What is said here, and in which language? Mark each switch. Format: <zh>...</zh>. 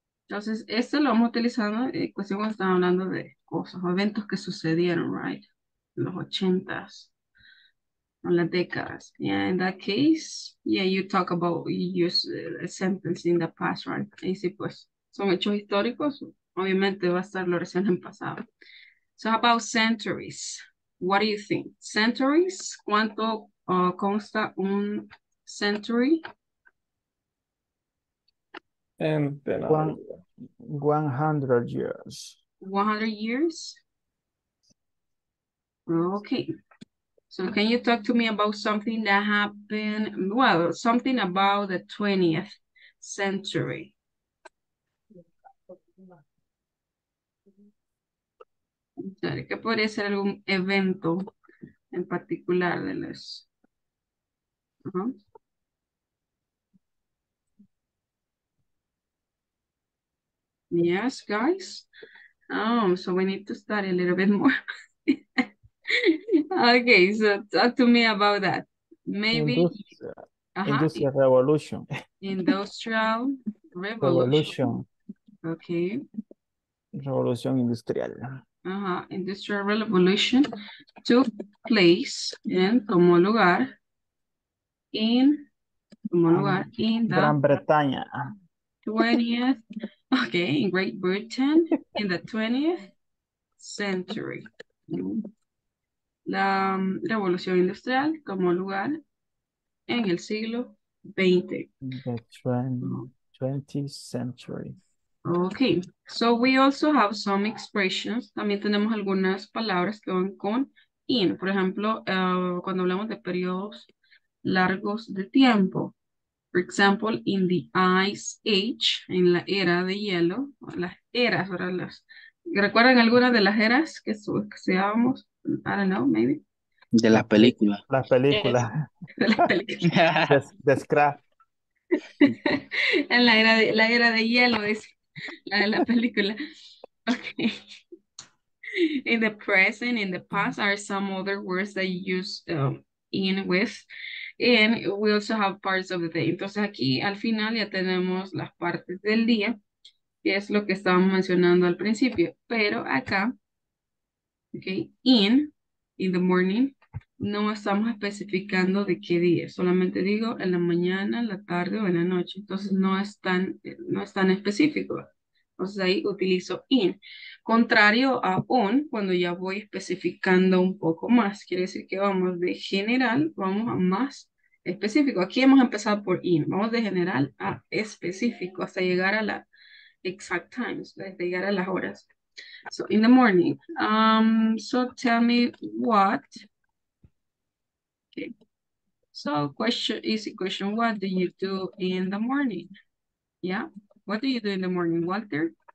<es>Entonces, este lo vamos utilizando en cuestión cuando estamos hablando de cosas, eventos que sucedieron,</es> <en>right? Los 80s. On the decades. Yeah, in that case, yeah, you talk about, you use a sentence in the past, right? Easy, pues.</en> <es>Son hechos históricos, obviamente va a estar lo recién en pasado.</es> <en>So how about centuries? What do you think? Centuries,</en> <es>¿cuánto consta un century?</es> <en>And then 100 years. 100 years? Okay. So can you talk to me about something that happened, well, something about the 20th century?</en> <es>¿Qué podría ser algún evento en particular de los?</es> <en>Yes, guys. Oh, so we need to study a little bit more. Okay, so talk to me about that. Maybe industrial revolution. Industrial revolution. Okay. Revolution industrial. Industrial revolution took place in</en> <es>como lugar</es> <en>in como lugar in the</en> <es>Gran Bretaña.</es> <en>20th. Okay, in Great Britain in the 20th century.</en> <es>La revolución industrial como lugar en el siglo 20.</es> <en>The 20th century. Okay, so we also have some expressions.</en> <es>También tenemos algunas palabras que van con in. Por ejemplo, cuando hablamos de periodos largos de tiempo.</es> <en>For example, in the ice age,</en> <es>en la era de hielo. Las eras, ahora las... ¿Recuerdan alguna de las eras que seamos?</es> <en>I don't know, maybe.</en> <es>De las películas. Las películas. De las películas. De Scrap. En la era de hielo, es la de la película.</es> <en>Okay. In the present, in the past, are some other words that you use in with. And we also have parts of the day.</en> <es>Entonces aquí al final ya tenemos las partes del día, que es lo que estábamos mencionando al principio. Pero acá... Okay, in the morning, no estamos especificando de qué día, solamente digo en la mañana, en la tarde o en la noche, entonces no es tan específico, entonces ahí utilizo in, contrario a on, cuando ya voy especificando un poco más, quiere decir que vamos de general, vamos a más específico, aquí hemos empezado por in, vamos de general a específico, hasta llegar a la</es> <en>exact times,</en> <es>hasta llegar a las horas.</es> <en>So in the morning, so tell me what, okay, so question, easy question, what do you do in the morning? Yeah, what do you do in the morning, Walter?</en>